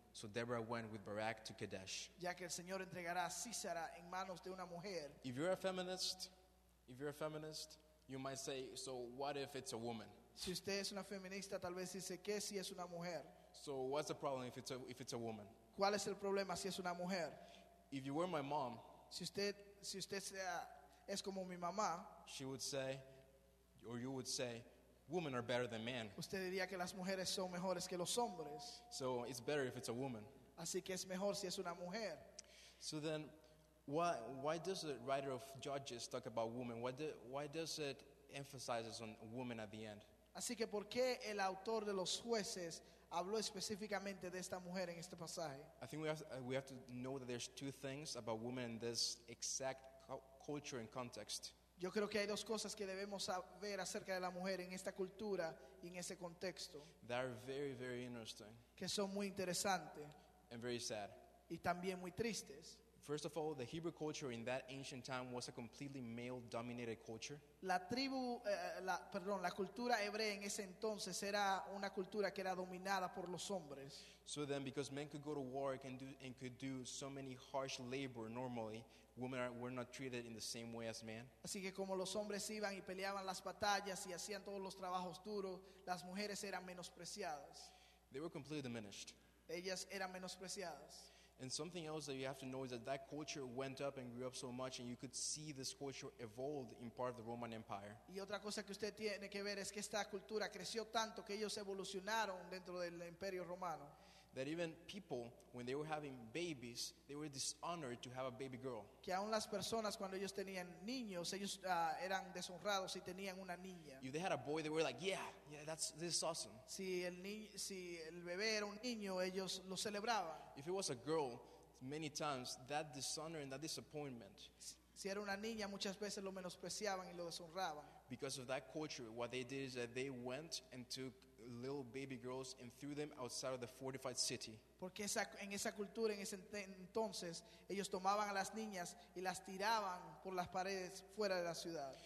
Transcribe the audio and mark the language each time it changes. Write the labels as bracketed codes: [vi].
[en] So Deborah went with Barak to Kadesh. [es] Ya que el Señor entregará a Sisera en manos de una mujer. [en] If you're a feminist, you might say, "So what if it's a woman?" [es] Si usted es una feminista, tal vez dice, ¿qué si es una mujer? [en] "So what's the problem if it's a woman?" [es] ¿Cuál es el problema si es una mujer? [en] "If you were my mom," [es] si usted es como mi mamá, [en] she would say, or you would say, "Women are better than men." [es] Usted diría que las mujeres son mejores que los hombres. [en] "So it's better if it's a woman." [es] Así que es mejor si es una mujer. [en] So then, why does the writer of Judges talk about women? Why does it emphasize on women at the end? [es] Así que por qué el autor de los jueces habló específicamente de esta mujer en este pasaje. [en] I think we have to know that there's two things about women in this exact culture and context. [es] Yo creo que hay dos cosas que debemos saber acerca de la mujer en esta cultura y en ese contexto. [en] They are very, very interesting. [es] Que son muy interesantes. [en] And very sad. [es] Y también muy tristes. [en] First of all, the Hebrew culture in that ancient time was a completely male-dominated culture. [es] La cultura hebrea en ese entonces era una cultura que era dominada por los hombres. [en] So then, because men could go to war and could do so many harsh labor normally, women were not treated in the same way as men. [es] Así que como los hombres iban y peleaban las batallas y hacían todos los trabajos duros, las mujeres eran menospreciadas. [en] They were completely diminished. [es] Ellas eran menospreciadas. [en] And something else that you have to know is that culture went up and grew up so much, and you could see this culture evolved in part of the Roman Empire. [es] Y otra cosa que usted tiene que ver es que esta cultura creció tanto que ellos evolucionaron dentro del Imperio Romano. [en] That even people, when they were having babies, they were dishonored to have a baby girl. [es] Que aun las personas cuando ellos tenían niños, ellos eran deshonrados si tenían una niña. [en] If they had a boy, they were like, yeah, this is awesome. [es] Si el bebé era un niño, ellos lo celebraban. [en] If it was a girl, many times that dishonor and that disappointment. [es] Si era una niña, muchas veces lo menospreciaban y lo deshonraban. [en] Because of that culture, what they did is that they went and took little baby girls and threw them outside of the fortified city. [es] Porque en esa cultura, en ese entonces, ellos tomaban a las niñas y las tiraban por las paredes fuera de la ciudad.